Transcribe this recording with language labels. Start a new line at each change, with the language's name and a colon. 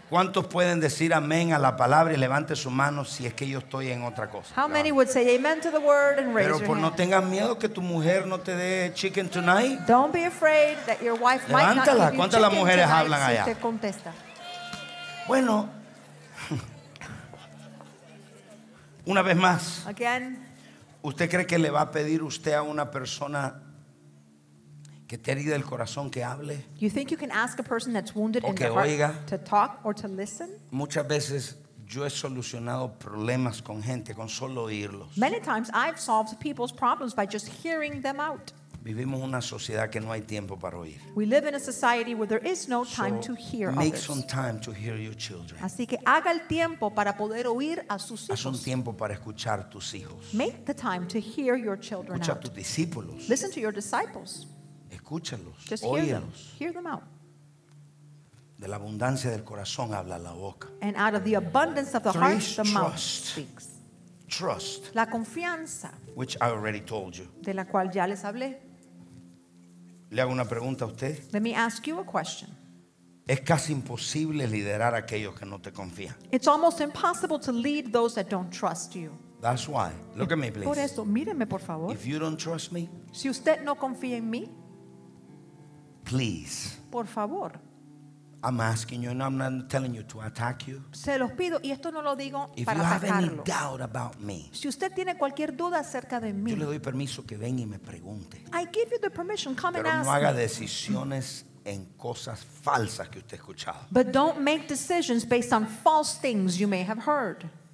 Spanish: ¿cuántos pueden decir amén a la palabra y levante su mano si es que yo estoy en otra cosa?
English: How many would say amen to the word and raise your hand?
Spanish: Pero no tengas miedo que tu mujer no te dé
English: chicken tonight. Don't be afraid that your wife might not give you chicken tonight.
Spanish: ¿Cuántas las mujeres hablan allá? Si te contesta. Bueno, una vez más.
English: Again.
Spanish: ¿Usted cree que le va a pedir usted a una persona que te herida el corazón que hable?
English: You think you can ask a person that's wounded in the heart to talk or to listen?
Spanish: Muchas veces yo he solucionado problemas con gente con solo oírlos.
English: Many times I've solved people's problems by just hearing them out.
Spanish: Vivimos una sociedad que no hay tiempo para oír.
English: We live in a society where there is no time to hear others. Make some time to hear your children.
Spanish: Así que haga el tiempo para poder oír a sus hijos. Haz un tiempo para escuchar tus hijos.
English: Make the time to hear your children.
Spanish: Escucha a tus discípulos.
English: Listen to your disciples.
Spanish: Escúchalos, óyelos.
English: Hear them out.
Spanish: De la abundancia del corazón habla la boca.
English: And out of the abundance of the heart, the mouth speaks. Trust.
Spanish: La confianza.
English: Which I already told you.
Spanish: De la cual ya les hablé. Le hago una pregunta a usted.
English: Let me ask you a question.
Spanish: Es casi imposible liderar a aquellos que no te confían.
English: It's almost impossible to lead those that don't trust you. That's why. Look at me, please.
Spanish: Por eso, míreme, por favor.
English: If you don't trust me.
Spanish: Si usted no confía en mí.
English: Please.
Spanish: Por favor.
English: I'm asking you, and I'm not telling you to attack you.
Spanish: Se los pido y esto no lo digo para atacarlo.
English: If you have any doubt about me,
Spanish: si usted tiene cualquier duda acerca de mí, yo le doy permiso que venga y me pregunte.
English: I give you the permission, come and ask.
Spanish: Pero no haga decisiones en cosas falsas que usted ha escuchado.
English: But don't make decisions based on false things you may have heard.